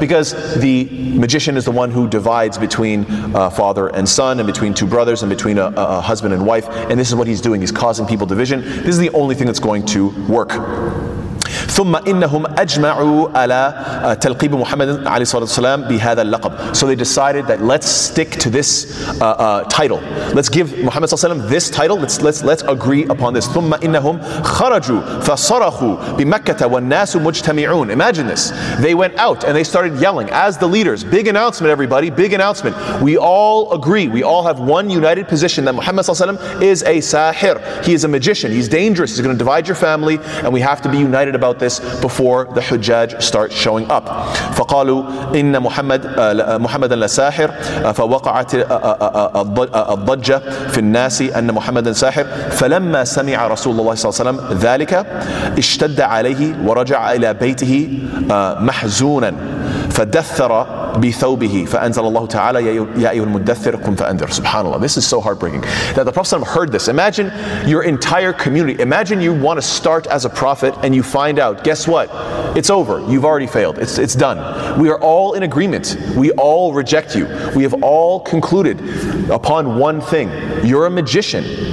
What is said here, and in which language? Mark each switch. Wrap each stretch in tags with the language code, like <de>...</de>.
<en>Because the magician is the one who divides between father and son, and between two brothers, and between a husband and wife. And this is what he's doing. He's causing people division. This is the only thing that's going to work.</en> <ar>ثم إنهم أجمعوا على تلقيب محمد عليه الصلاة والسلام بهذا اللقب.</ar> <en>So they decided that let's stick to this title. Let's give Muhammad صلى الله عليه وسلم this title. Let's agree upon this.</en> <ar>ثم إنهم خرجوا فصرخوا بمكة والناس مجتمعون.</ar> <en>Imagine this. They went out and they started yelling as the leaders. Big announcement, everybody. Big announcement. We all agree. We all have one united position that Muhammad صلى الله عليه وسلم is a sahir. He is a magician. He's dangerous. He's going to divide your family, and we have to be united about this before the Hujjaj start showing up.</en> <ar>فقالوا إن محمد لساحر فوقعت الضجة في الناس أن محمد ساحر فلما سمع رسول الله صلى الله عليه وسلم ذلك اشتد عليه ورجع إلى بيته محزونا فدثر بثوبه فأنزل الله تعالى يا أيها المدثر قم فأنذر. سبحان الله.</ar> <en>This is so heartbreaking that the Prophet heard this. Imagine your entire community. Imagine you want to start as a prophet and you find out, guess what? It's over. You've already failed. It's done. We are all in agreement. We all reject you. We have all concluded upon one thing. You're a magician.</en>